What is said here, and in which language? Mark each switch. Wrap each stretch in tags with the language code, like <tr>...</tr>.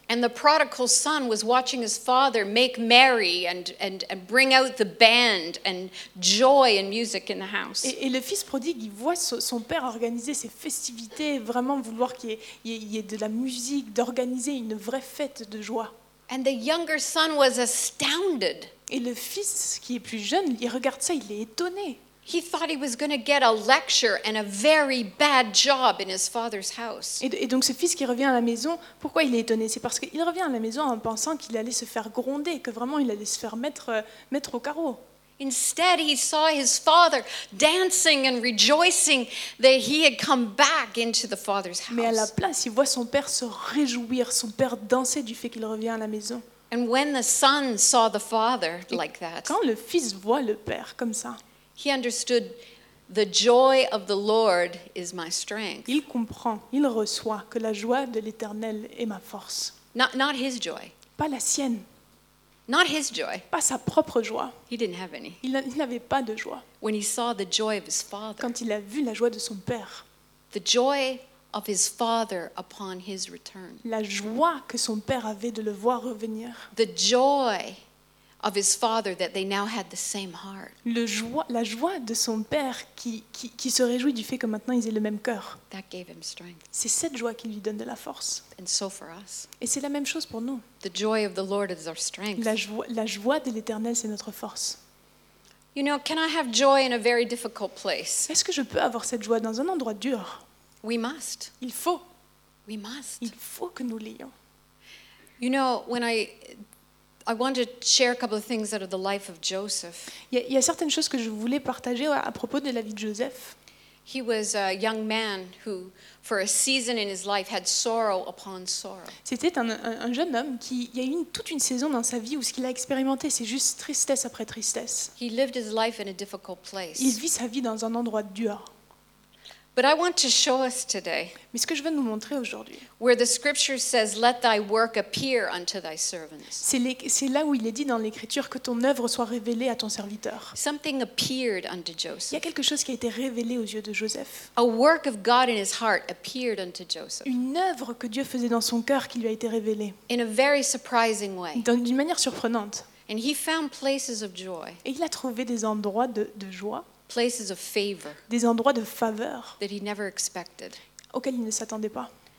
<en>And the prodigal son was watching his father make merry and bring out the band and joy and music in the house.</en> <fr>Et le fils prodigue, il voit son père organiser ses festivités, vraiment vouloir qu'il y ait de la musique, d'organiser une vraie fête de joie.</fr> <en>And the younger son was astounded.</en> <fr>Et le fils qui est plus jeune, il regarde ça, il est étonné.</fr> <en>He thought he was going to get a lecture and a very bad job in his father's house.</en> <fr>Et donc ce fils qui revient à la maison, pourquoi il est étonné? C'est parce qu'il revient à la maison en pensant qu'il allait se faire gronder, que vraiment il allait se faire mettre au carreau.</fr> <en>Instead, he saw his father dancing and rejoicing that he had come back into the father's house.</en> <fr>Mais à la place, il voit son père se réjouir, son père danser du fait qu'il revient à la maison.</fr> <en>And when the son saw the father like that,</en> <fr>quand le fils voit le père comme ça,</fr> <en>he understood the joy of the Lord is my strength.</en> <fr>Il comprend, il reçoit que la joie de l'Éternel est ma force.</fr> <en>Not his joy.</en> <fr>Pas la sienne.</fr> <en>Not his joy.</en> <fr>Pas sa propre joie.</fr> <en>He didn't have any.</en> <fr>Il n'avait pas de joie.</fr> <en>When he saw the joy of his father.</en> <fr>Quand il a vu la joie de son père.</fr> <en>The joy of his father upon his return.</en> <fr>La joie que son père avait de le voir revenir.</fr> <en>The joy of his father that they now had the same heart.</en> <fr>La joie de son père qui se réjouit du fait que maintenant ils aient le même cœur.</fr> <en>That gave him strength.</en> <fr>C'est cette joie qui lui donne de la force.</fr> <en>And so for us.</en> <fr>Et c'est la même chose pour nous.</fr> <en>The joy of the Lord is our strength.</en> <fr>La joie de l'Éternel, c'est notre force.</fr> <en>You know, can I have joy in a very difficult place?</en> <fr>Est-ce que je peux avoir cette joie dans un endroit dur?</fr> <en>We must.</en> <fr>Il faut.</fr> <en>We must.</en> <fr>Il faut que nous l'ayons.</fr> <en>You know, when I want to share a couple of things out of the life of Joseph.</en> <fr>Il y a certaines choses que je voulais partager à propos de la vie de Joseph.</fr> <en>He was a young man who, for a season in his life, had sorrow upon sorrow.</en> <fr>C'était un jeune homme qui, il y a eu toute une saison dans sa vie où ce qu'il a expérimenté, c'est juste tristesse après tristesse.</fr> <en>He lived his life in a difficult place.</en> <fr>Il vit sa vie dans un endroit dur.</fr> <en>But I want to show us today.</en> <fr>Mais ce que je veux nous montrer aujourd'hui.</fr> <en>Where the scripture says, "Let thy work appear unto thy servants."</en> <fr>C'est là où il est dit dans l'Écriture que ton œuvre soit révélée à ton serviteur.</fr> <en>Something appeared unto Joseph.</en> <fr>Il y a quelque chose qui a été révélé aux yeux de Joseph.</fr> <en>A work of God in his heart appeared unto Joseph.</en> <fr>Une œuvre que Dieu faisait dans son cœur qui lui a été révélée.</fr> <en>In a very surprising way.</en> <fr>D'une manière surprenante.</fr> <en>And he found places of joy.</en> <fr>Et il a trouvé des endroits de joie.</fr> <en>Places of favor,</en> <fr>des endroits de faveur,</fr> <en>that he never expected,</en> <fr>auxquels il ne s'attendait pas.</fr>